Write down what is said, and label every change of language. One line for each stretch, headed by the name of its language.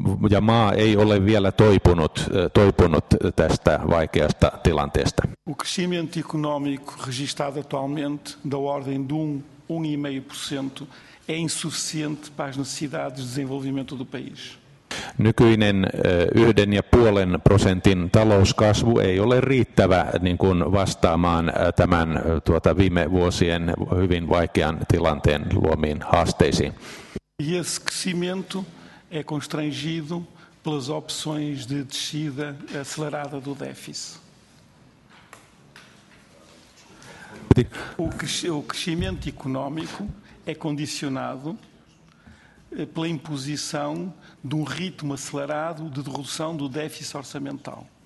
Finnish: Ja maa ei ole vielä toipunut tästä vaikeasta tilanteesta.
Portuguese: O crescimento econômico registrado atualmente da ordem de 1,5% é insuficiente para as necessidades de desenvolvimento do país.
Finnish: Nykyinen 1,5% talouskasvu ei ole riittävä niin kuin vastaamaan tämän viime vuosien hyvin vaikean tilanteen luomiin haasteisiin.
Portuguese: E esse crescimento é constrangido pelas opções de descida acelerada do déficit. O crescimento econômico é condicionado pela imposição de ritmo acelerado de redução do déficit orçamental.